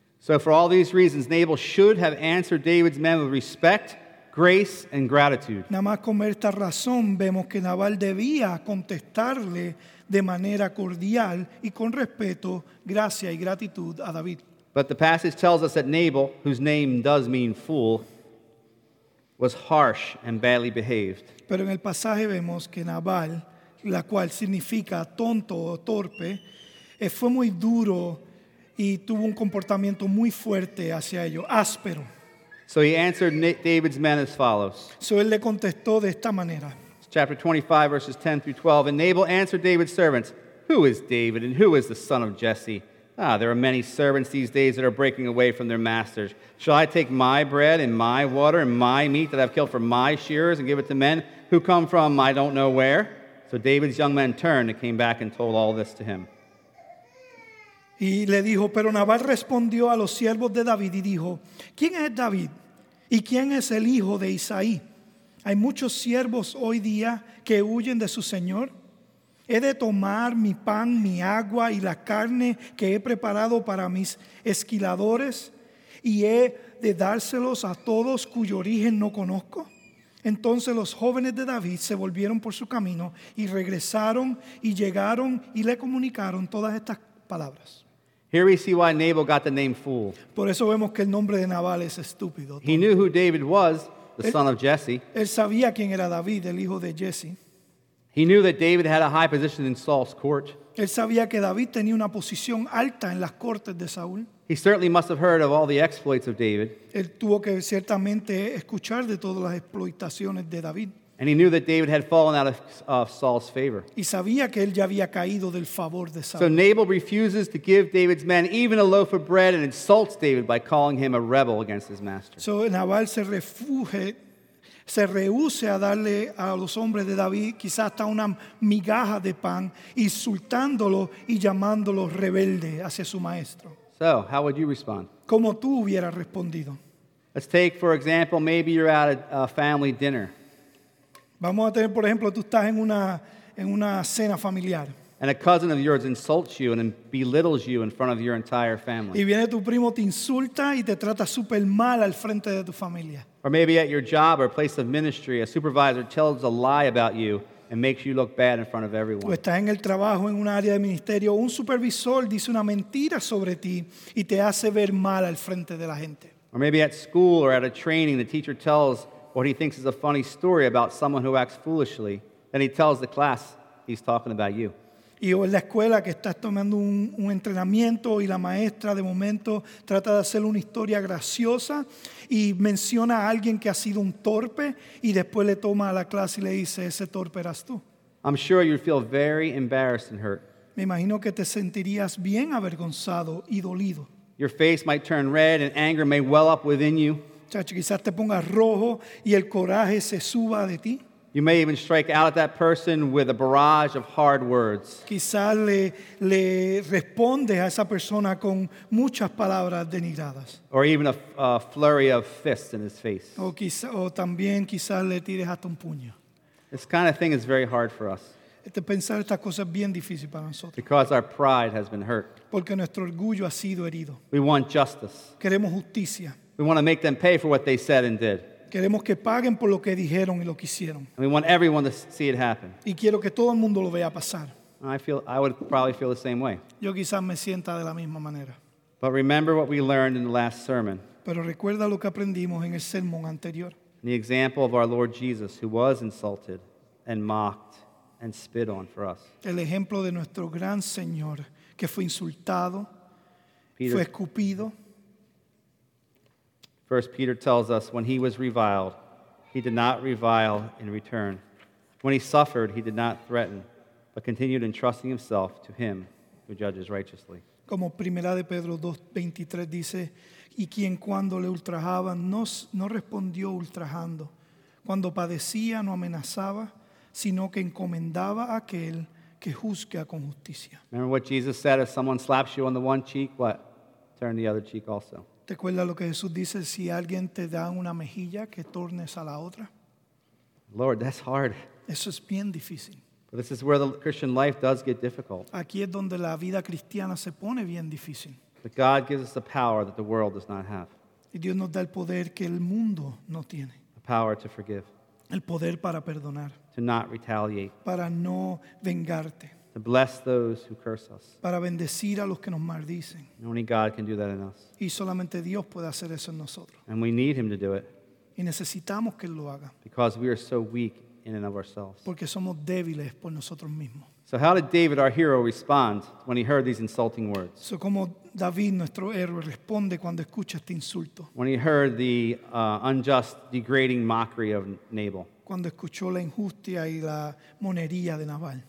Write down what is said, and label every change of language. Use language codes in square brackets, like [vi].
[en] So for all these reasons, Nabal should have answered David's men with respect, grace, and gratitude. [es] Nada más con esta razón vemos que Nabal debía contestarle de manera cordial y con respeto, gracia y gratitud a David. [en] But the passage tells us that Nabal, whose name does mean fool, was harsh and badly behaved. [es] Pero en el pasaje vemos que Nabal, la cual significa tonto o torpe, fue muy duro y tuvo un comportamiento muy fuerte hacia ellos, áspero. [en] So he answered David's men as follows. [es] So él le contestó de esta manera. [en] Chapter 25, verses 10 through 12. And Nabal answered David's servants, "Who is David and who is the son of Jesse? Ah, there are many servants these days that are breaking away from their masters. Shall I take my bread and my water and my meat that I've killed for my shearers and give it to men who come from I don't know where?" So David's young men turned and came back and told all this to him. [es] Y le dijo, pero Nabal respondió a los siervos de David y dijo, ¿quién es David? ¿Y quién es el hijo de Isaí? ¿Hay muchos siervos hoy día que huyen de su señor? ¿He de tomar mi pan, mi agua y la carne que he preparado para mis esquiladores y he de dárselos a todos cuyo origen no conozco? Entonces los jóvenes de David se volvieron por su camino y regresaron y llegaron y le comunicaron todas estas palabras. [en] Here we see why Nabal got the name fool. [es] Por eso vemos que el nombre de Nabal es estúpido. [en] He knew who David was, the son of Jesse. [es] Él sabía quién era David, el hijo de Jesse. [en] He knew that David had a high position in Saul's court. [es] Él sabía que David tenía una posición alta en las cortes de Saúl. [en] He certainly must have heard of all the exploits of David. [es] Él tuvo que ciertamente escuchar de todas las explotaciones de David. [en] And he knew that David had fallen out of Saul's favor. [es] Y sabía que él ya había caído del favor de Saúl. [en] So Nabal refuses to give David's men even a loaf of bread and insults David by calling him a rebel against his master. [es] So Nabal se rehúse a darle a los hombres de David quizás hasta una migaja de pan, insultándolo y llamándolo rebelde hacia su maestro. [en] So, how would you respond? [es] ¿Cómo tú hubieras respondido? [en] Let's take, for example, maybe you're at a family dinner. [es] Vamos a tener, por ejemplo, tú estás en una cena familiar. [en] And a cousin of yours insults you and belittles you in front of your entire family. [es] Y viene tu primo, te insulta y te trata súper mal al frente de tu familia. [en] Or maybe at your job or place of ministry, a supervisor tells a lie about you and makes you look bad in front of everyone. [es] O estás en el trabajo, en un área de ministerio, un supervisor dice una mentira sobre ti y te hace ver mal al frente de la gente. [en] Or maybe at school or at a training, the teacher tells what he thinks is a funny story about someone who acts foolishly, then he tells the class he's talking about you. [es] Y o en la escuela que estás tomando un entrenamiento y la maestra de momento trata de hacer una historia graciosa y menciona a alguien que ha sido un torpe y después le toma a la clase y le dice, ese torpe eras tú. [en] I'm sure you'd feel very embarrassed and hurt. [es] Me imagino que te sentirías bien avergonzado y dolido. [en] Your face might turn red and anger may well up within you. [es] Chacho, quizás te pongas rojo y el coraje se suba de ti. [en] You may even strike out at that person with a barrage of hard words. [es] Quizás le respondes a esa persona con muchas palabras denigradas. [en] Or even a flurry of fists in his face. [es] O también quizás le tires hasta un puño. [en] This kind of thing is very hard for us. [es] Pensar estas cosas bien difícil para nosotros. [en] Because our pride has been hurt. [es] Porque nuestro orgullo ha sido herido. [en] We want justice. [es] Queremos justicia. [en] We want to make them pay for what they said and did. [es] Queremos que paguen por lo que dijeron y lo que hicieron. [en] And we want everyone to see it happen. [es] Y quiero que todo el mundo lo vea pasar. [en] I would probably feel the same way. [es] Yo quizás me sienta de la misma manera. [en] But remember what we learned in the last sermon. [es] Pero recuerda lo que aprendimos en el sermón anterior. [en] The example of our Lord Jesus, who was insulted and mocked and spit on for us. [es] El ejemplo de nuestro gran Señor, que fue insultado, fue escupido. [en] 1 Peter tells us, when he was reviled, he did not revile in return. When he suffered, he did not threaten, but continued entrusting himself to him who judges righteously. [es] Como 1 Pedro 2:23 dice, y quien cuando le ultrajaban no respondió ultrajando. Cuando padecía no amenazaba, sino que encomendaba a aquel que juzga con justicia. [en] Remember what Jesus said, if someone slaps you on the one cheek, what? Turn the other cheek also. [es] ¿Te acuerdas lo que Jesús dice? Si alguien te da una mejilla, que tornes a la otra. [en] Lord, that's hard. [es] Eso es bien difícil. [en] But this is where the Christian life does get difficult. [es] Aquí es donde la vida cristiana se pone bien difícil. [en] But God gives us the power that the world does not have. [es] Y Dios nos da el poder que el mundo no tiene. [en] The power to forgive. [es] El poder para perdonar. [en] To not retaliate. [es] Para no vengarte. [en] To bless those who curse us. [es] Para bendecir a los que nos maldicen. [en] Only God can do that in us. [es] Y solamente Dios puede hacer eso en nosotros. [en] And we need him to do it. [es] Y necesitamos que él lo haga. [en] Because we are so weak in and of ourselves. [es] Porque somos débiles por nosotros mismos. [en] So how did David, our hero, respond when he heard these insulting words? [es] So como David, nuestro héroe, responde cuando escucha este insulto. [en] When he heard the unjust, degrading mockery of Nabal. [es] Cuando escuchó la injusticia y la monería de Nabal.